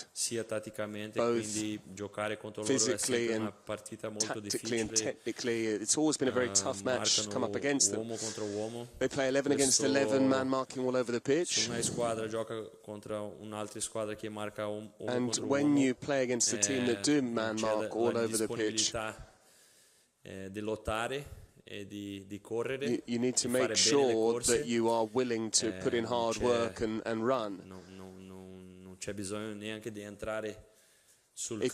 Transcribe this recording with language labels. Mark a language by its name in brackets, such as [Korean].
[Italian] sia taticamente, quindi giocare contro loro è sempre una partita molto difficile. [English] Tactically and technically, it's always been a very tough match to come up against them. [Italian] Uomo contro uomo. [English] They play 11 against 11, man marking all over the pitch. [Italian] Una squadra gioca contro un'altra squadra che marca uomo contro uomo. [English] And when you play against a team that do man mark all over the pitch, [Italian] di lottare e di correre, [English] you need to make sure that you are willing to put in hard work and run. [Italian] C'è bisogno neanche di entrare sul campo.